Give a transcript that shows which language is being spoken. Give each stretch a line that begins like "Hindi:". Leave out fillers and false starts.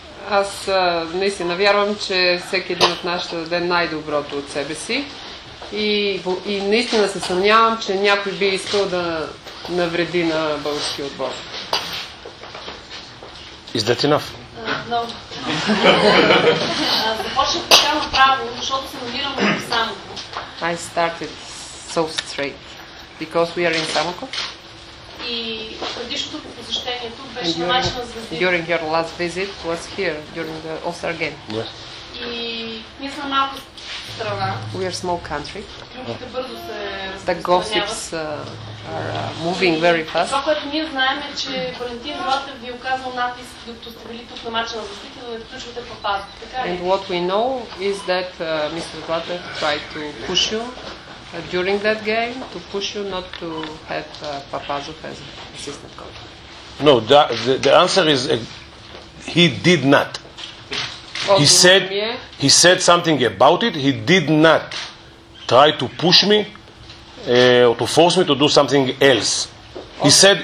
Bulgarian: Аз наистина вярвам, че всеки един от нас ще даде най-доброто от себе си и наистина се съмнявам, че някой би искал да навреди на българския отбор.
English: Is that enough? No.
Bulgarian: Започнах така направо, защото се намирам в Самоков.
English: I started so straight, because we are in Samoков.
Bulgarian: И предишното посещение тук беше на матча на Звезди.
English: During your last visit was here, during the All-Star game. Yes.
Bulgarian: И ние сме малка страна.
English: We are small country.
Bulgarian: Клюките бързо се разпространяват.
English: The gossips are moving very fast.
Bulgarian: Това, което ние знаем, е, че Валентин Златев ви е оказал натиск, докато сте били тук на матча на защита, да не включвате папаза.
English: And what we know is that Mr. Златев tried to push you during that game, to push you not to have Papazov as assistant coach. No, the answer is he did not. He said something about it. He did not try to push me or to force me to do something else. Okay.